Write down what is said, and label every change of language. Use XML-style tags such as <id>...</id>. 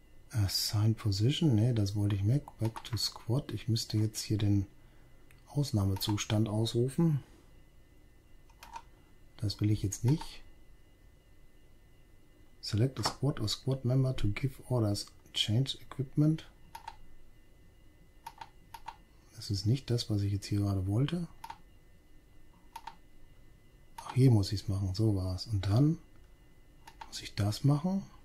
<de>Assign Position, ne, das wollte ich weg.</de> <en>Back to Squat.</en> <de>Ich müsste jetzt hier den Ausnahmezustand ausrufen. Das will ich jetzt nicht.</de> <en>Select a Squad or Squad Member to give orders. Change Equipment.</en> <de>Das ist nicht das, was ich jetzt hier gerade wollte. Auch hier muss ich es machen. So war es. Und dann muss ich das machen.</de>